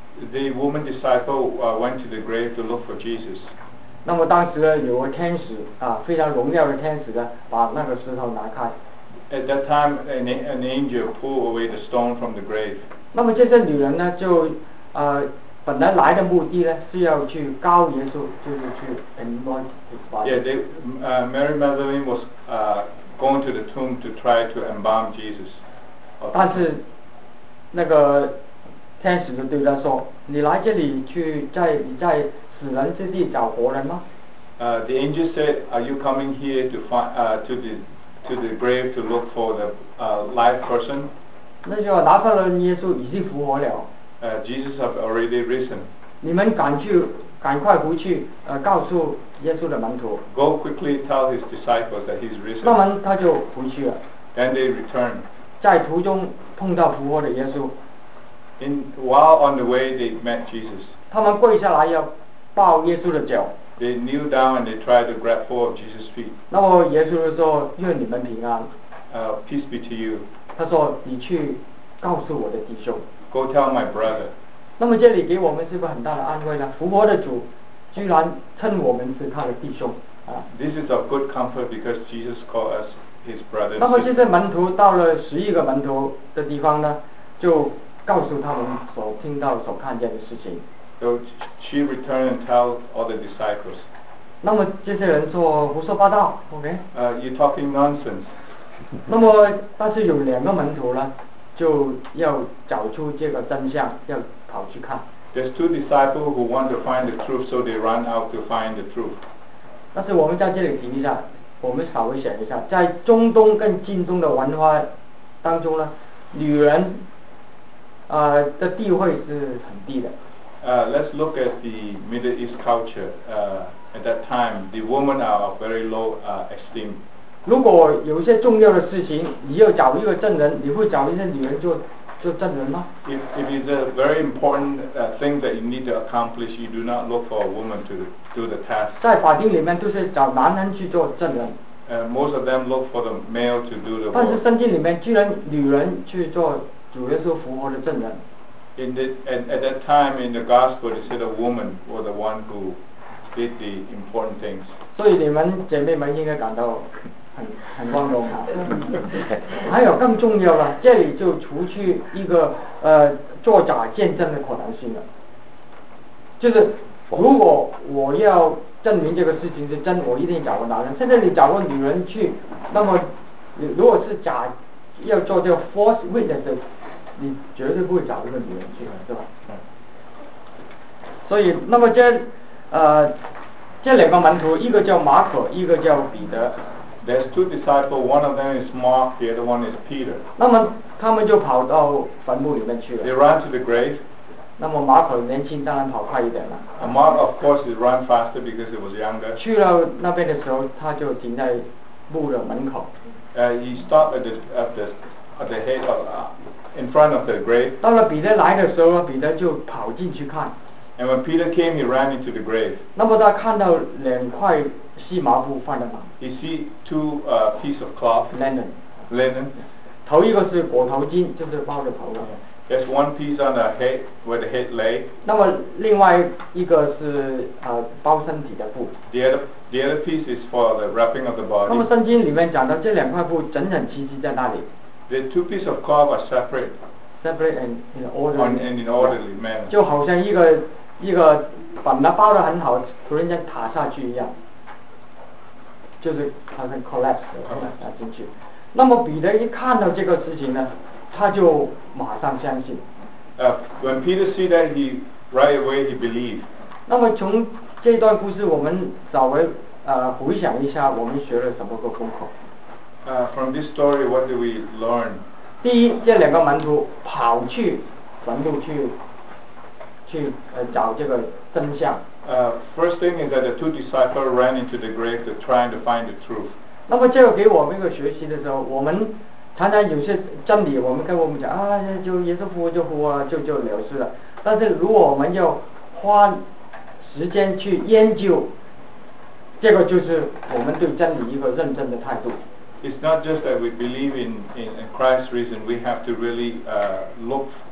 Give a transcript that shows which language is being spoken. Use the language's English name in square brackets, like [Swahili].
[English] The woman disciple went to the grave to look for Jesus. [Chinese] 那么当时呢，有个天使非常荣耀的天使呢，把那个石头拿开。 [English] At that time, an angel pulled away the stone from the grave. [Chinese] 那么这些女人呢，就本来来的目的呢，是要去膏耶稣，就是去 [English] anoint his body. Yeah, Mary Magdalene was going to the tomb to try to embalm Jesus. [Chinese] 但是那个天使就对他说：“你来这里去在死人之地找活人吗？” [English] The angel said, "Are you coming here to find to the grave to look for the live person?" [Chinese] 那就拿破仑耶稣已经复活了。 [English] Jesus have already risen. [Chinese] 你们赶快回去，告诉耶稣的门徒。 [English] Go quickly tell his disciples that he's risen. [Chinese] 那么他就回去了。 [English] Then they return. [Chinese] 在途中碰到复活的耶稣。 [English] While on the way, they met Jesus. [Chinese] 他们跪下来要抱耶稣的脚。 [English] They kneel down and they try to grab hold of Jesus' feet. [Chinese] 那么耶稣就说：“愿你们平安。 [English] ”Peace be to you. [Chinese] 他说：“你去告诉我的弟兄。” [English] Go tell my brother. [Chinese] 那么这里给我们是不是很大的安慰呢？复活的主居然称我们是他的弟兄。 [English] This is a good comfort because Jesus called us his brothers. [Chinese] 那么这些门徒到了十一个门徒的地方呢，就告诉他们所听到所看见的事情。 [English] So she returned and tell all the disciples. [Chinese] 那么这些人说胡说八道 ，OK？ [English] You're talking nonsense. [Chinese] 那么但是有两个门徒呢，就要找出这个真相，要跑去看。 [English] There's two disciples who want to find the truth, so they run out to find the truth. [Chinese] 但是我们在这里停一下，我们稍微想一下，在中东跟近东的文化当中呢，女人的地位是很低的。 [English] Let's look at the Middle East culture. At that time, the women are of very low esteem. [Chinese] 如果有一些重要的事情，你要找一个证人，你会找一些女人做证人吗 [English] ？If it's a very important thing that you need to accomplish, you do not look for a woman to do the task. [Chinese] 在法庭里面都是找男人去做证人。 [English] Most of them look for the male to do the work. [Chinese] 但是圣经里面居然女人去做主耶稣复活的证人。 [English] At that time in the gospel, it said a woman was the one who did the important things. [Chinese] 所以你们姐妹们应该感到。很光荣啊！还有更重要的，这里就除去一个作假见证的可能性了。就是如果我要证明这个事情是真，我一定找个男人。现在你找个女人去，那么你如果是假要做这个 [English] false witness， [Chinese] 你绝对不会找一个女人去，是吧？所以，那么这两个门徒，一个叫马可，一个叫彼得。 [English] There's two disciples, one of them is Mark, the other one is Peter. [Chinese] 那么他们就跑到坟墓里面去了。 [English] They ran to the grave. [Chinese] 那么马可年轻，当然跑快一点了。 [English] And Mark, of course, he ran faster because he was younger. [Chinese] 去了那边的时候，他就停在墓的门口。 [English] He stopped at the head of, in front of the grave. [Chinese] 到了彼得来的时候，彼得就跑进去看。 [English] And when Peter came, he ran into the grave. [Chinese] 那么他看到两块细麻布放的吗？ [English] He see two pieces of cloth. Linen. [Chinese] 头一个是裹头巾，就是包着头的。 [English] There's one piece on the head where the head lay. [Chinese] 那么另外一个是包身体的布。 [English] The other piece is for the wrapping of the body. [Chinese] 那么圣经里面讲到这两块布整整齐齐在那里。 [English] The two pieces of cloth are separate. Separate and in order. And in orderly manner. [Chinese] 就好像一个把它包得很好，突然间塌下去一样。就是好像 collapse 进去。那么彼得一看到这个事情呢，他就马上相信。 [English] When Peter see that, he right away he believed. [Chinese] 那么从这段故事，我们稍微回想一下，我们学了什么个功课？ [English] From this story, what do we learn? [Chinese] 第一，这两个门徒跑去坟墓去找这个真相。 [English] First thing is that the two disciples ran into the grave to trying to find the truth. [Chinese] 那么这个给我们一个学习的时候，我们常常有些真理，我们跟我们讲啊，就耶稣复活就复活了，就了事了。但是如果我们要花时间去研究，这个就是我们对真理一个认真的态度。 [English] It's not just that we believe in Christ's reason, we have to really look.